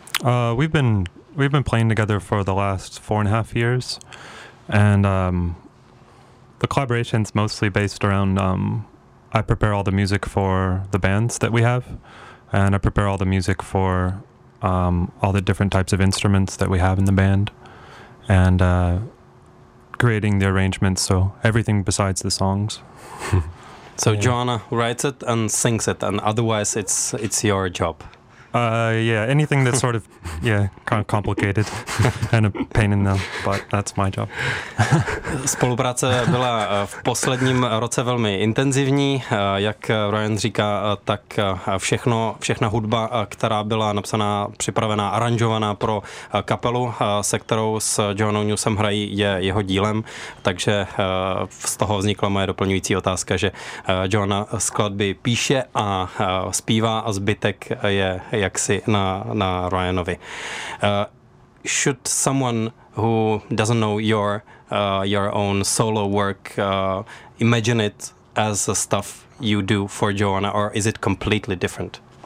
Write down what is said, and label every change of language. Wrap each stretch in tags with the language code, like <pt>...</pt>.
<en>We've been playing together for the last 4.5 years, and the collaboration's mostly based around I prepare all the music for the bands that we have, and I prepare all the music for all the different types of instruments that we have in the band, and creating the arrangements, so everything besides the songs. So yeah. Johanna writes it and sings it, and otherwise it's your job. Anything that's sort of kind of complicated and a pain in the butt, that's my job.</en> <cs>Spolupráce byla v posledním roce velmi intenzivní, jak Ryan říká, tak všechna hudba, která byla napsaná, připravená, aranžovaná pro kapelu, se kterou s Johannou Newsom hrají, je jeho dílem, takže z toho vznikla moje doplňující otázka, že Johanna skladby píše a zpívá a zbytek je jaksi na Ryanovi.</cs> <en>Should someone who doesn't know your own solo work imagine it as the stuff you do for Johanna, or is it completely different?</en>